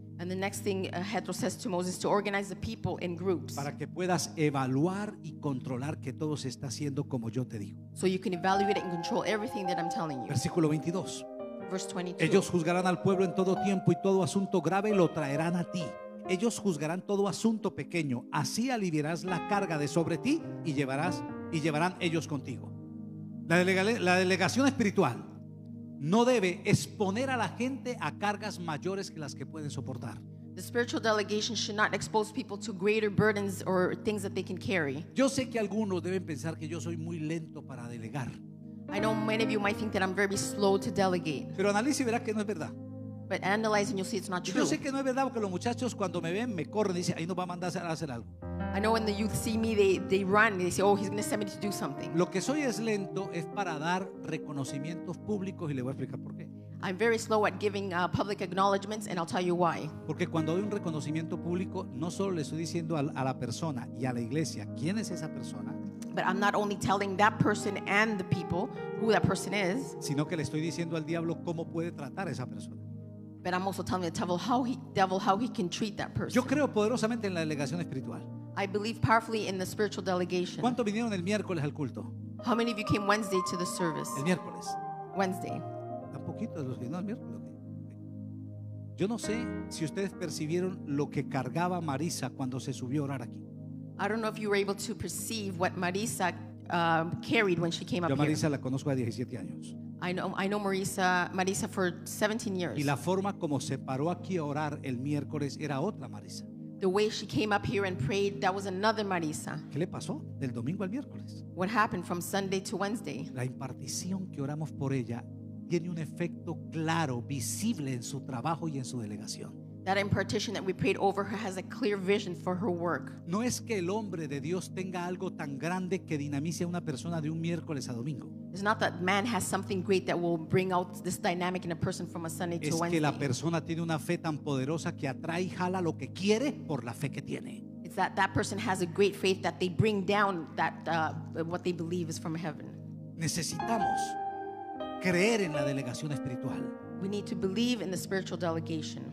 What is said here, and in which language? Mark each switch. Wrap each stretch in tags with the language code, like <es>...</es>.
<en>And the next thing Jetro says to Moses is to organize the people in groups.</en> <es>Para que puedas evaluar y controlar que todo se está haciendo como yo te digo.</es> <en>So you can evaluate and control everything that I'm telling you.</en> <es>Versículo 22.</es> <en>Verse 22.</en> <es>Ellos juzgarán al pueblo en todo tiempo y todo asunto grave lo traerán a ti. Ellos juzgarán todo asunto pequeño. Así aliviarás la carga de sobre ti y llevarás y llevarán ellos contigo. La delegación espiritual no debe exponer a la gente a cargas mayores que las que pueden soportar.</es> <en>The spiritual delegation should not expose people to greater burdens or things that they can carry.</en> <es>Yo sé que algunos deben pensar que yo soy muy lento para delegar.</es> <en>I know many of you might think that I'm very slow to delegate.</en> <es>Pero analice y verá que no es verdad.</es> <en>But analyze and you'll see it's not true.</en> <es>Yo sé que no es verdad porque los muchachos cuando me ven me corren y dicen ahí nos va a mandar a hacer algo.</es> <en>I know when the youth see me they run and they say oh he's going to send me to do something.</en> <es>Lo que soy es lento es para dar reconocimientos públicos y le voy a explicar por qué.</es> <en>I'm very slow at giving public acknowledgments and I'll tell you why.</en> <es>Porque cuando doy un reconocimiento público no solo le estoy diciendo a la persona y a la iglesia quién es esa persona.</es> <en>But I'm not only telling that person and the people who that person is.</en> <es>Sino que le estoy diciendo al diablo cómo puede tratar a esa persona.</es> <en>But I'm also telling the devil how he can treat that person.</en> <es>Yo creo poderosamente en la delegación espiritual.</es> <en>I believe powerfully in the spiritual delegation.</en> <es>¿Cuánto vinieron el miércoles al culto?</es> <en>How many of you came Wednesday to the service?</en> <es>El miércoles.</es> <en>Wednesday.</en> <es>Un poquito de los que no el miércoles. Yo no sé si ustedes percibieron lo que cargaba Marisa cuando se subió a orar aquí.</es> <en>I don't know if you were able to perceive what Marisa carried when she came up here.</en> <es>Yo Marisa la conozco a 17 años.</es> <en>I know Marisa for 17 years.</en> <es>Y la forma como se paró aquí a orar el miércoles era otra Marisa.</es> <en>The way she came up here and prayed, that was another Marisa.</en> <es>¿Qué le pasó del domingo al miércoles?</es> <en>What happened from Sunday to Wednesday?</en> <es>La impartición que oramos por ella tiene un efecto claro, visible en su trabajo y en su delegación.</es> <en>That impartition that we prayed over her has a clear vision for her work.</en> <es>No es que el hombre de Dios tenga algo tan grande que dinamice a una persona de un miércoles a domingo.</es> <en>It's not that man has something great that will bring out this dynamic in a person from a Sunday</en> <es>es</es> <en>to Wednesday.</en> <es>Es que la persona tiene una fe tan poderosa que atrae y jala lo que quiere por la fe que tiene.</es> <en>that that person has a great faith that they bring down that what they believe is from heaven.</en> <es>Necesitamos creer en la delegación espiritual.</es> <en>We need to believe in the spiritual delegation.</en>